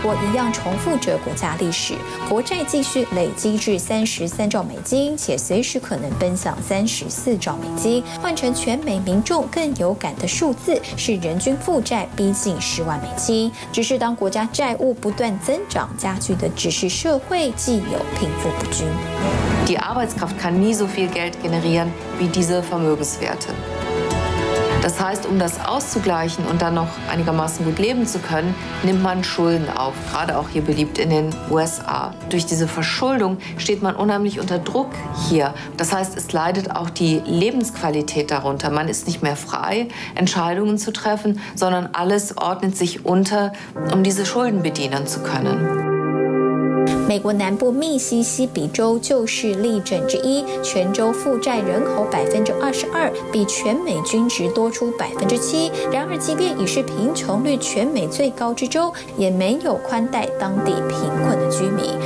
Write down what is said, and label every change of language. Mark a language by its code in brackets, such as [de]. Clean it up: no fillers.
[zh] 一样重复着国家历史，国债继续累积至33兆美金，且随时可能奔向34兆美金。换成全美民众更有感的数字，是人均负债逼近10万美金。只是当国家债务不断增长，加剧的只是社会既有贫富不均。 [de] Die Arbeitskraft kann nie so viel Geld generieren wie diese Vermögenswerte. Das heißt, um das auszugleichen und dann noch einigermaßen gut leben zu können, nimmt man Schulden auf, gerade auch hier beliebt in den USA. Durch diese Verschuldung steht man unheimlich unter Druck hier. Das heißt, es leidet auch die Lebensqualität darunter. Man ist nicht mehr frei, Entscheidungen zu treffen, sondern alles ordnet sich unter, um diese Schulden bedienen zu können. [zh] 美国南部密西西比州就是例证之一，全州负债人口22%，比全美均值多出7%。然而，即便已是贫穷率全美最高之州，也没有宽待当地贫困的居民。